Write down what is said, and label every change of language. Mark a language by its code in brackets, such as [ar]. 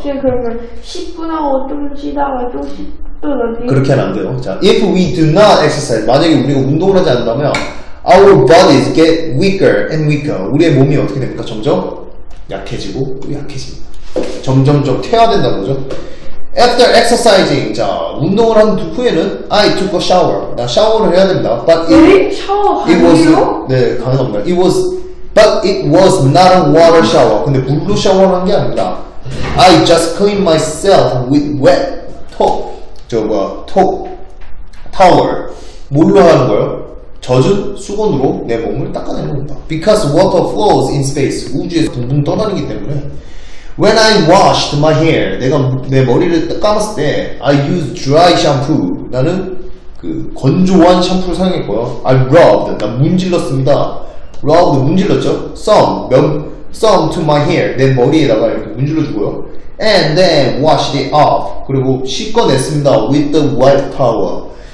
[ko] 지금 그러면 10분 하고 좀 쉬다가 또 10분 어디? 그렇게 하면 안 돼요. 자, [en] if we do not exercise [ko] 만약에 우리가 운동을 하지 않는다면 [en] our bodies get weaker and weaker [ko] 우리의 몸이 어떻게 됩니까? 점점 약해지고 약해집니다. 점점점 퇴화된다고 그러죠? [en] After exercising, [ko] 자, 운동을 한 후에는 [en] I took a shower. [ko] 나 샤워를 해야 됩니다. [en] But [ko] it, 에이? 샤워 가능해요? 네, 가능합니다. [en] It was, but it was not a water shower. [ko] 근데 물로 샤워를 한 게 아닙니다. [en] I just cleaned myself with wet top. [ko] 저 뭐야, top. Towel. 뭘로 하는 거예요? 젖은 수건으로 내 몸을 닦아내는 겁니다. [en] Because water flows in space. [ko] 우주에서 둥둥 떠다니기 때문에. [en] When I washed my hair, [ko] 내가 내 머리를 감았을 때, [en] I used dry shampoo. [ko] 나는 그 건조한 샴푸를 사용했고요. [en] I rubbed, [ko] 나 문질렀습니다. [en] Rubbed, [ko] 문질렀죠? [en] Some to my hair, [ko] 내 머리에다가 이렇게 문질러주고요. [en] And then washed it off. [ko] 그리고 씻어냈습니다. [en] With the wet towel.